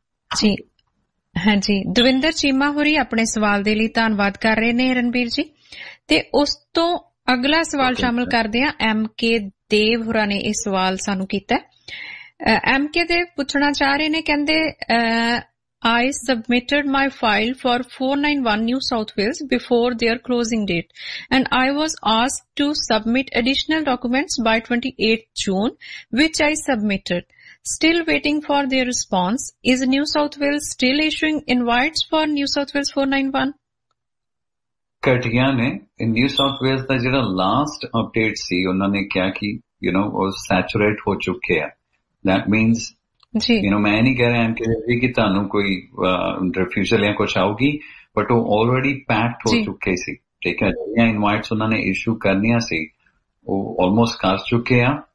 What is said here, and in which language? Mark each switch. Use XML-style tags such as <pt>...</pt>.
<pa>ਜੀ ਹਾਂਜੀ ਦਵਿੰਦਰ ਚੀਮਾ ਹੋਰੀ ਆਪਣੇ ਸਵਾਲ ਦੇ ਲਈ ਧੰਨਵਾਦ ਕਰ ਰਹੇ ਨੇ ਰਣਬੀਰ ਜੀ ਤੇ ਉਸ ਤੋਂ ਅਗਲਾ ਸਵਾਲ ਸ਼ਾਮਲ ਕਰਦੇ ਆ ਐਮ ਕੇ ਦੇਵ ਹੋਰਾਂ ਨੇ ਇਹ ਸਵਾਲ ਸਾਨੂੰ ਕੀਤਾ ਐਮ ਕੇ ਦੇਵ ਪੁੱਛਣਾ ਚਾਹ ਰਹੇ ਨੇ ਕਹਿੰਦੇ</pa> <en>I submitted my file for 491 New South Wales before their closing date and I was asked to submit additional documents by 28th June which I submitted. Still waiting for their response. Is New South Wales still issuing invites for New South Wales 491?</en> <pa>ਕਟਿਆ ਨੇ ਇਨ new south Wales ਦਾ ਜਿਹੜਾ last update ਸੀ ਉਹਨਾਂ ਨੇ ਕਿਹਾ ਕਿ you know ਉਹ ਸੈਚੂਰੇਟ ਹੋ ਚੁੱਕੇ ਆ</pa> <en>that means you know</en> <pa>ਮੈਂ ਨਹੀਂ ਕਹਿ ਰਿਹਾ ਐਮਕੇਜੀ ਕਿ ਤੁਹਾਨੂੰ ਕੋਈ ਰਿਫਿਊਜ਼ਲ ਜਾਂ ਕੁਛ ਆਊਗੀ ਬਟ ਉਹ ਆਲਰੇਡੀ ਪੈਕਡ ਹੋ ਚੁੱਕੇ ਸੀ ਠੀਕ ਹੈ ਜਿਹੜੀਆਂ ਇਨਵਾਈਟਸ ਉਹਨਾਂ ਨੇ ਇਸ਼ੂ ਕਰਨੀਆਂ ਸੀ ਉਹ ਆਲਮੋਸਟ ਕਰ ਚੁੱਕੇ ਆ</pa>